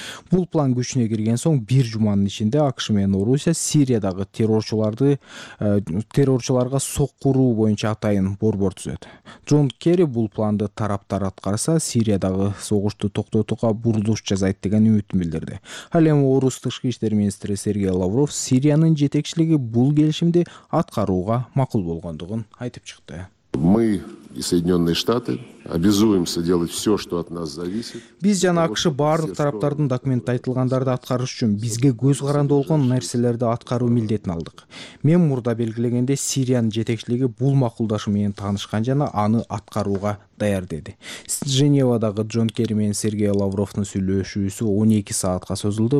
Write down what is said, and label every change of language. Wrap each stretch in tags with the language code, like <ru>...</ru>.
<ky>Бул план күчүнө кирген соң бир жуманын ичинде АКШ менен Орусия Сириядагы террорчуларга соккуруу боюнча атайын борбор түзөт. Джон Керри бул планды тараптар аткарса, Сириядагы согушту токтотууга бурулуш жасайт деген үмүтүн билдирди. Ал эми орус тышкы иштер министри Сергей Лавров Сириянын жетекчилиги бул келишимди аткарууга макул болгондугун айтып чыкты.</ky> <ru>Мы и Соединенные Штаты обязуемся делать все, что от нас зависит.</ru> <ky>Биз жана АКШ баардык тараптардын документте айтылгандарды аткарыш үчүн бизге көз каранды болгон нерселерди аткаруу милдетин алдык. Мен мурда белгилегенде Сириянын жетекчилиги бул макулдашы менен таанышкан жана аны аткарууга даяр деди. Женевадагы Джон Керри менен Сергей Лавровтун сүйлөшүүсү 12 саатка созулду.</ky>